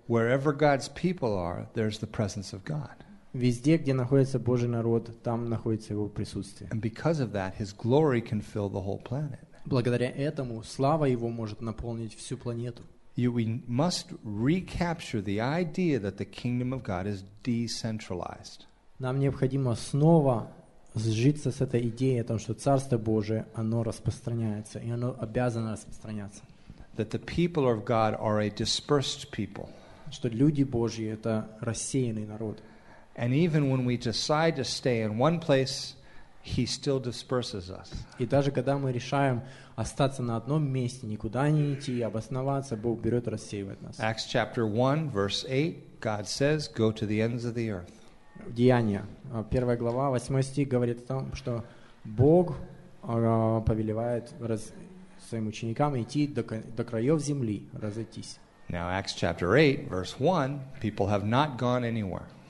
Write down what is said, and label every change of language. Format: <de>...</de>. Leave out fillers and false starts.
<en>Wherever God's people are, there's the presence of God.</en> <ru>Везде, где находится Божий народ, там находится Его присутствие.</ru> <en>And because of that, His glory can fill the whole planet.</en> <ru>Благодаря этому, слава Его может наполнить всю планету.</ru> <en>We must recapture the idea that the kingdom of God is decentralized.</en> <ru>Нам необходимо снова сжиться с этой идеей о том, что Царство Божие, оно распространяется, и оно обязано распространяться.</ru> <en>That the people of God are a dispersed people.</en> <ru>Что люди Божьи — это рассеянный народ.</ru> <en>And even when we decide to stay in one place, He still disperses us.</en> <ru>И даже когда мы решаем остаться на одном месте, никуда не идти, обосноваться, Бог берет и рассеивает нас.</ru> <en>Acts chapter 1, verse 8, God says, go to the ends of the earth.</en> <ru>Деяния, 1 глава, 8 стих говорит о том, что Бог повелевает своим ученикам идти до краев земли, разойтись.</ru> <en>Now Acts chapter 8, verse 1, people have not gone anywhere.</en>